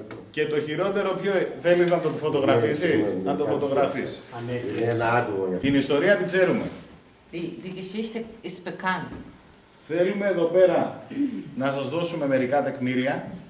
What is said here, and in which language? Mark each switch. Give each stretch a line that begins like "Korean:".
Greek: και το χειρότερο ποιο θέλεις να το φωτογραφίσεις, να το φωτογραφείς. Την ιστορία την ξέρουμε.
German: Die Geschichte ist bekannt.
Greek: Θέλουμε εδώ πέρα να σας δώσουμε μερικά τεκμήρια.